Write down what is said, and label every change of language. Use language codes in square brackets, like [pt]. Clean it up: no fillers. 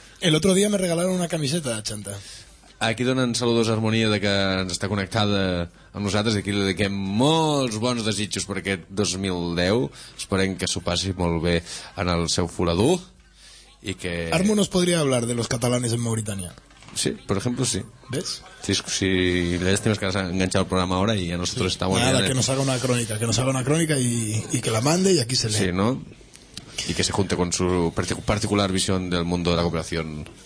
[es] El otro día me regalaron una camiseta de 80. [ca] Aquí donen saludos a Harmonia, de que ens està connectada amb nosaltres, i aquí li dediquem molts bons desitjos per aquest 2010. Esperem que s'ho passi molt bé en el seu furador. I que... [es] Armo nos podria hablar de los catalanes en Mauritania. Sí, por ejemplo, sí. ¿Ves? Sí, si le decimos que has enganchado el programa ahora y a nosotros sí, está bueno. Nada, que nos haga una crónica, que nos haga una crónica y que la mande y aquí se lee. Sí, ¿no? Y que se junte con su particular visión del mundo de la cooperación.